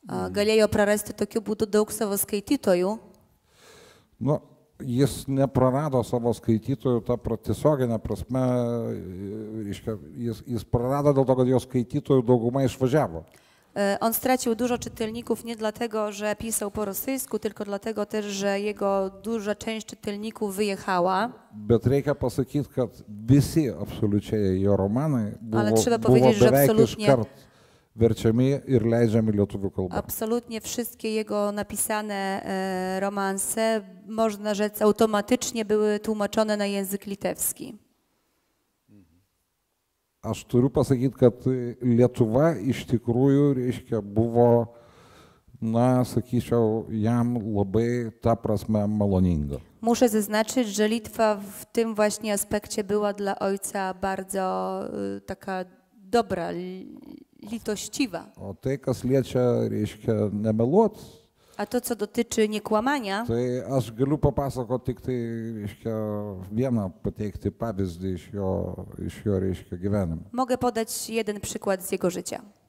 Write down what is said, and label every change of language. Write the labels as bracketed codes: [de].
[lt] Galėjo prarasti tokiu būdu daug savo skaitytojų. No. Jis neprarado savo skaitytojų, ta tiesioginė prasme, reiškia, jis prarado dėl to, kad jo skaitytojų dauguma išvažiavo. [pl] On stracił dużo czytelników nie dlatego, że pisał po rosyjsku, tylko dlatego też, że jego duża część czytelników wyjechała. [lt] Bet reikia pasakyt, kad visi absoliučiai jo romanai buvo beveik iškart verčiami ir leidžiami lietuvių kalba. [pl] Absolutnie wszystkie jego napisane romanse, można rzec, automatycznie były tłumaczone na język litewski. [lt] Aš turiu pasakyt, kad Lietuva iš tikrųjų, reiškia, buvo, na, sakyčiau, jam labai ta prasme maloninga. [pl] Muszę zaznaczyć, że Litwa w tym właśnie aspekcie była dla ojca bardzo taka dobra, litościwa. [lt] O tej kas liečia, reiškia, nemeluot. [pl] A to, co dotyczy niekłamania. [lt] To aš galiu papasakot tik tai, reiškia, vieną pateikti pavyzdį iš jo, reiškia, gyvenimą. [pl] Mogę podać jeden przykład z jego życia.